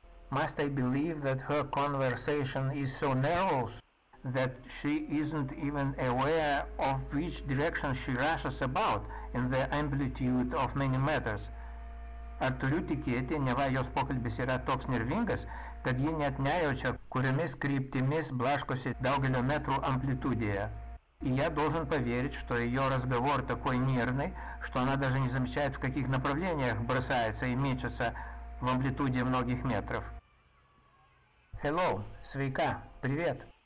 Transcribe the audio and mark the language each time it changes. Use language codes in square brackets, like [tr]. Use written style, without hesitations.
[en] Must I believe that her conversation is so narrow that she isn't even aware of which direction she rushes about in the amplitude of many matters? [lt] Ar turiu tikėti, neva jos pokalbis yra toks nervingas, kad ji net nejaučia, kuriamis kryptimis blaškosi daugelio metrų amplitudėje. [ru] И я должен поверить, что ее разговор такой нервный, что она даже не замечает, в каких направлениях бросается и мечется в амплитуде многих метров. [en] Hello, [lt] свейка, [ru] привет.